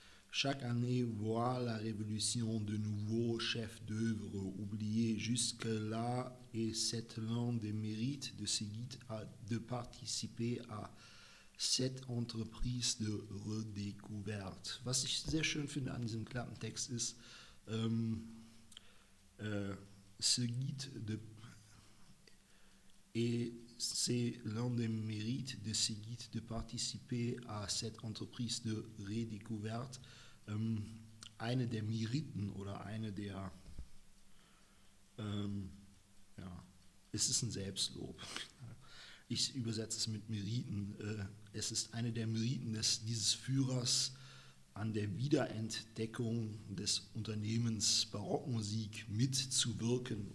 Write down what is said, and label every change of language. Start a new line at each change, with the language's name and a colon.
French: Chaque année voit la révolution de nouveaux chefs d'œuvre oubliés jusque-là et c'est l'un des mérites de ce guide de participer à cette Entreprise de Redécouverte.
German: Was ich sehr schön finde an diesem Klappentext ist,
French: ce guide de. Et c'est l'un des mérites de ce guide de participer à cette Entreprise de Redécouverte.
German: Eine der Meriten oder eine der. Ja, es ist ein Selbstlob. Ich übersetze es mit Meriten. Es ist eine der Meriten dieses Führers an der Wiederentdeckung des Unternehmens Barockmusik mitzuwirken.